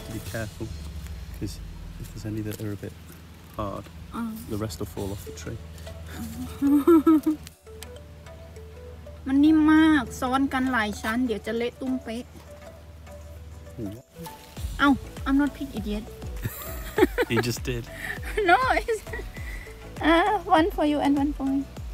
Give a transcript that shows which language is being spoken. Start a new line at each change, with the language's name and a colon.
English: Careful, because if there's any that are a bit hard, the rest will fall off the tree.
Thai: มันนิ่มมากซ้อนกันหลายชั้นเดี๋ยวจะเละตุ้มเป๊ะ เอ้า
English: I'm not pig idiot. He just did. No, it's one for you and one for me.